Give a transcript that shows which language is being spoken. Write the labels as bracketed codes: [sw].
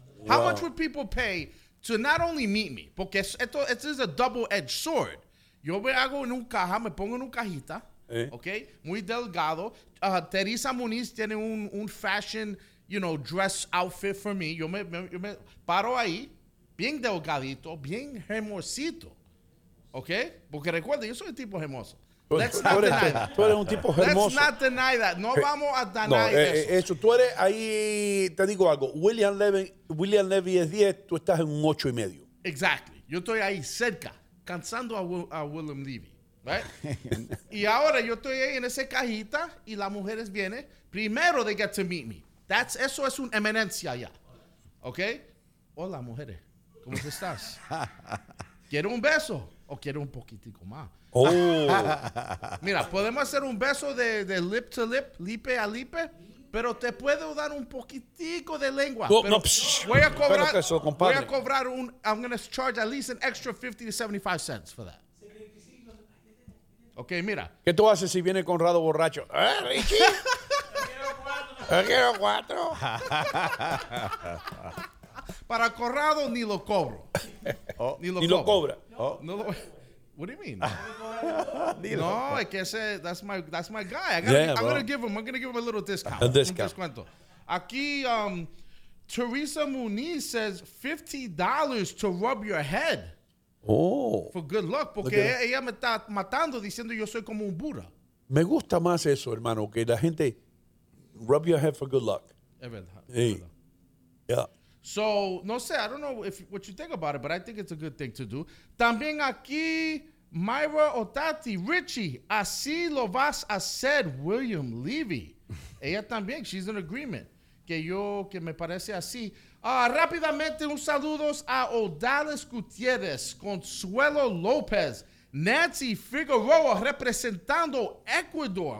[en] How much would people pay to not only meet me? [es] Porque esto, [en] this is a double-edged sword. [es] Yo me hago en un caja, me pongo en un cajita, ¿ok? Muy delgado. [en] Teresa Muniz [es] tiene un [en] fashion, you know, dress outfit for me. [es] Yo me paro ahí, bien delgadito, bien hermosito, ¿ok? Porque recuerda, yo soy un tipo hermoso. [en] Let's not deny that. [es] Tú eres un tipo hermoso. [en] Let's not deny that. [es] No vamos a [en] deny [es] no, eso. Tú eres ahí, te digo algo. William Levy es 10, tú estás en un 8 y medio. [en] Exactly. [es] Yo estoy ahí cerca. Cansando a William Levy, [en] right? [es] Y ahora yo estoy ahí en esa cajita y las mujeres vienen. Primero, [en] they get to meet me. That's, [es] eso es una eminencia ya. ¿Ok? Hola, mujeres. ¿Cómo estás? ¿Quieres un beso? ¿O quieres un poquitico más? Oh. Mira, podemos hacer un beso de [en] lip to lip, [es] lipe a lipe. Pero te puedo dar un poquitico de lengua. Oh, pero no, voy a cobrar. Eso, voy a cobrar un. [en] I'm going to charge at least an extra 50 to 75 cents for that. [es] Ok, mira. ¿Qué tú haces si viene Conrado borracho? ¿Eh, Ricky? Yo quiero cuatro. Yo quiero cuatro. Para Conrado ni lo cobro. Oh, ni lo cobra. [en] Oh. [es] No lo. [en] What do you mean? No, I can't say that's my guy. I'm gonna give him a little discount. A discount. [es] Descuento. [en] Aquí, Teresa Muniz says $50 to rub your head. Oh. For good luck, [es] porque ella me está matando diciendo yo soy como un Buda. Me gusta más eso, hermano, que la gente [en] rub your head for good luck. [es] Es verdad. Sí. Yeah. [en] So, [es] no sé, [en] I don't know if what you think about it, but I think it's a good thing to do. [es] También aquí, Myra Otati, Richie, así lo vas a hacer, William Levy. Ella también, [en] she's in agreement. [es] Que me parece así. Rápidamente, un saludo a Odalis Gutierrez, Consuelo López, Nancy Figueroa, representando Ecuador.